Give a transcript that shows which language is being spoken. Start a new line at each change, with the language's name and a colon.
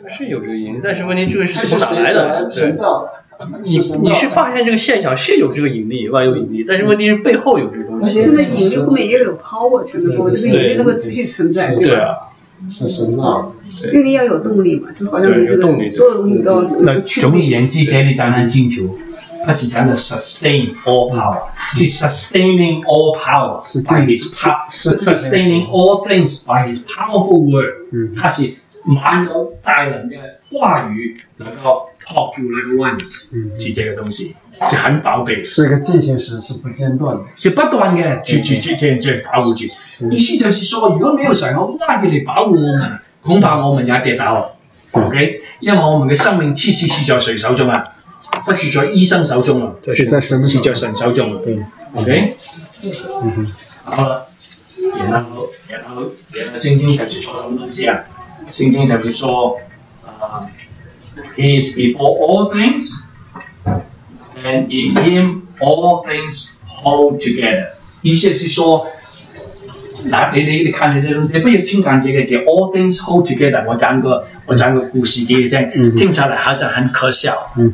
Chinese: 是有这个引力，但是问题这个是从哪来的？神造。你是发现这个现象是有这个引力，万有引力，但是问题是背后有这个东西。现在引力后面也有 power 存在，这个引力都会持续存在。对啊，是神造的。引力要有动力嘛，就好像那个动力做运动。
English: 那总而言之，这里讲的进球，它是讲的 sustain all power， 是 sustaining all power by his power， sustaining all things by his powerful word。
Chinese: 它是满有大能的话语能够。套住那个万有，是这个东西，就很宝贝。是一个进行时，是不间断的，是不断的，去保护住。意思就是说，如果没有神的话语来保护我们，恐怕我们也跌倒了。 OK， 因为我们的生命其实是在谁手中啊？不是在医生手中啊，是在神，是在神手中啊。对，OK， 好了，然后圣经就是说什么东西啊？
English: 圣经就是说，He is before all things, and in him all things hold together.
Chinese: 意思是说，你看这些东西，不要听讲这个字 ， all things hold together。我讲个故事给你听，听起来好像很可笑。